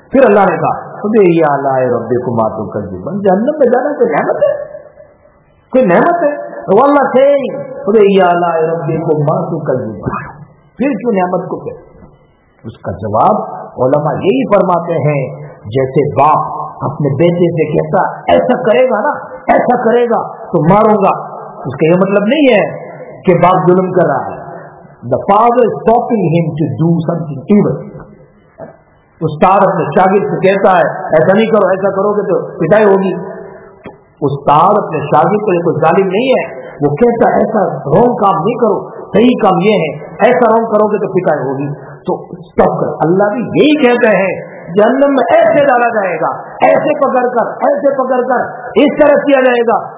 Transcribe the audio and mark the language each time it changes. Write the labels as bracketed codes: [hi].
[ur] پھر اللہ نے کہا خُذِ يَا لَا رَبِّكُمْ مَا تُكَذِّبُونَ, جہنم میں جانا کوئی نعمت ہے؟ کوئی نعمت ہے؟ وَاللَّهُ سَيِّئِ خُذِ يَا لَا رَبِّكُمْ مَا تُكَذِّبُونَ, پھر کیوں نعمت کو کہتے؟ اس کا جواب علماء یہی فرماتے ہیں جیسے باپ اپنے بیٹے سے کہتا ایسا کرے گا نا, ایسا کرے گا تو ماروں گا, اس کا یہ مطلب نہیں ہے کہ باپ ظلم کر رہا ہے. [en] The father is stopping him to do something evil. [ur] استاد اپنے شاگرد سے کہتا ہے ایسا نہیں کرو, ایسا کرو گے تو پٹائی ہوگی. استاد اپنے شاگرد کے لیے کوئی ظالم نہیں ہے, وہ کہتا ہے ایسا رونگ کام نہیں کرو, صحیح کام یہ ہے, ایسا رونگ کرو گے تو پٹائی ہوگی. تو اسٹاپ کر, اللہ بھی یہی کہتے ہیں جہنم میں ایسے ڈالا جائے گا, ایسے پکڑ کر, ایسے پکڑ کر اس طرح کیا جائے گا.